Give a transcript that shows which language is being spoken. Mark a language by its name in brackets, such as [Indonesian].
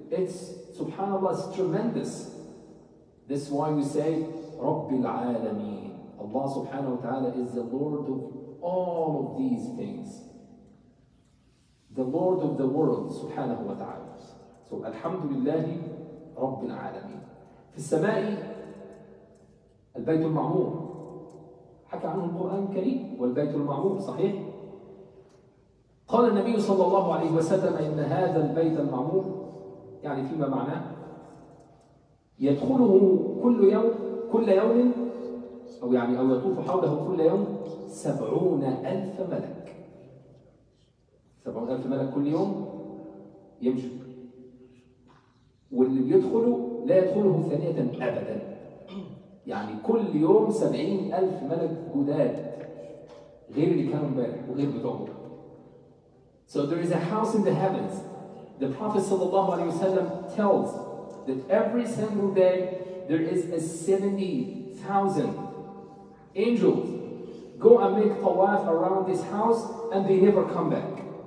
[English] It's, subhanAllah, it's tremendous. This is why we say, [Arabic] رَبِّ الْعَالَمِينَ. [English] Allah subhanahu wa ta'ala is the Lord of all of these things. The Lord of the world, subhanahu wa ta'ala. So, alhamdulillah, [Arabic] رَبِّ الْعَالَمِينَ. فِي السَّمَاءِ البيت المعمور حكى عنه القرآن الكريم والبيت المعمور صحيح؟ قال النبي صلى الله عليه وسلم إن هذا البيت المعمور يعني فيما معناه يدخله كل يوم أو يطوف حوله كل يوم 70,000 ملك 70,000 ملك كل يوم يمشي واللي يدخل لا يدخله ثانية أبدا يعني كل يوم 70,000 ملك جداد غير اللي كانوا امبارح وغير بتوعهم. [English] So there is a house in the heavens. The Prophet sallallahu alaihi wasallam tells that every single day there is a 70,000 angels go and make tawaf around this house and they never come back.